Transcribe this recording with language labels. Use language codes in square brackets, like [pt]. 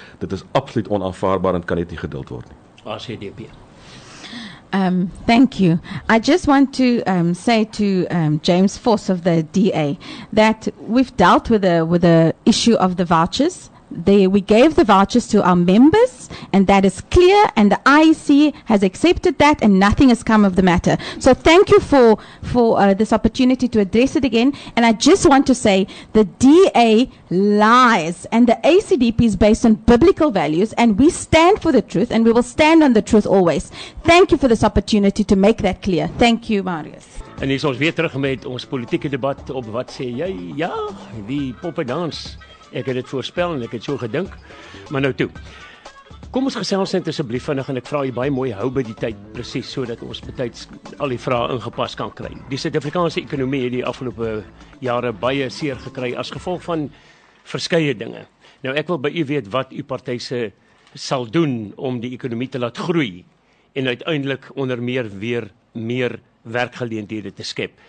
[af] Dit is absoluut onaanvaarbaar en kan net nie geduld word nie. [en] ACDP. Thank you. I just want to say to James Force of the DA that we've dealt with the issue of the vouchers. We gave the vouchers to our members and that is clear and the IEC has accepted that and nothing has come of the matter. So thank you for this opportunity to address it again. And I just want to say the DA lies and the ACDP is based on biblical values and we stand for the truth and we will stand on the truth always. Thank you for this opportunity to make that clear. Thank you, Marius. [af] En hier is ons weer terug met ons politieke debat op wat sê jy? Ja, die poppedans. Ek het dit voorspel en ek het so gedink. Maar nou toe. Kom ons gesels net asseblief vinnig en ek vra jy baie mooi hou by die tyd presies sodat ons betyds al die vrae ingepas kan kry. Die Suid-Afrikaanse ekonomie het die afgelope jare baie seer gekry as gevolg van verskeie dinge. Nou ek wil by u weet wat u party se sal doen om die ekonomie te laat groei en uiteindelik onder meer weer meer werkgeleenthede te skep.